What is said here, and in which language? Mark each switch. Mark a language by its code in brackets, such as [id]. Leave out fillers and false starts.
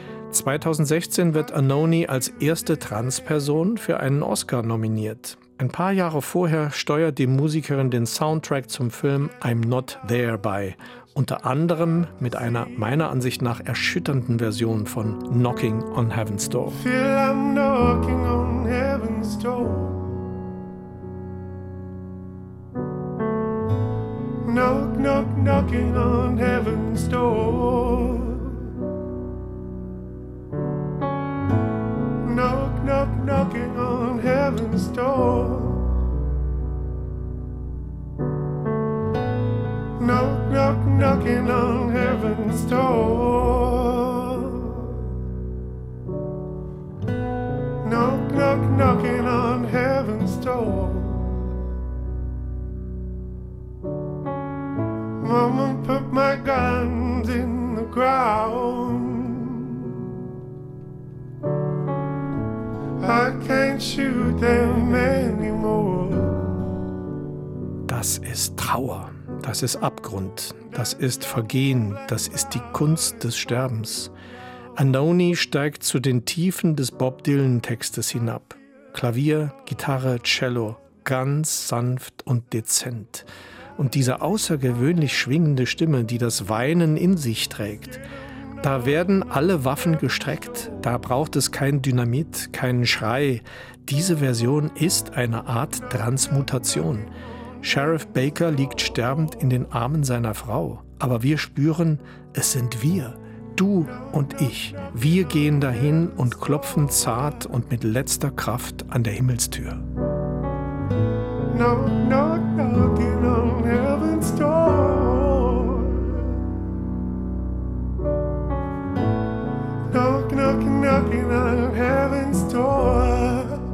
[de] 2016 wird Anoni als erste Transperson für einen Oscar nominiert. Ein paar Jahre vorher steuert die Musikerin den Soundtrack zum Film I'm Not There bei, unter anderem mit einer meiner Ansicht nach erschütternden Version von Knocking on Heaven's Door. [en] Feel I'm knocking on heaven's door. Knock, knock, knocking on heaven's door. Knock, knock, knocking on heaven's door. Knock, knock, knocking on heaven's door. Knock, knock, knocking on heaven's door. Mama put my guns in the ground. I can't shoot them anymore. [de] Das ist Trauer, das ist Abgrund, das ist Vergehen, das ist die Kunst des Sterbens. Anoni steigt zu den Tiefen des Bob Dylan-Textes hinab. Klavier, Gitarre, Cello, ganz sanft und dezent. Und diese außergewöhnlich schwingende Stimme, die das Weinen in sich trägt. Da werden alle Waffen gestreckt, da braucht es kein Dynamit, keinen Schrei. Diese Version ist eine Art Transmutation. Sheriff Baker liegt sterbend in den Armen seiner Frau. Aber wir spüren, es sind wir, du und ich. Wir gehen dahin und klopfen zart und mit letzter Kraft an der Himmelstür. [en] No, no. Knocking on heaven's door. Knock, knock, knocking on heaven's door.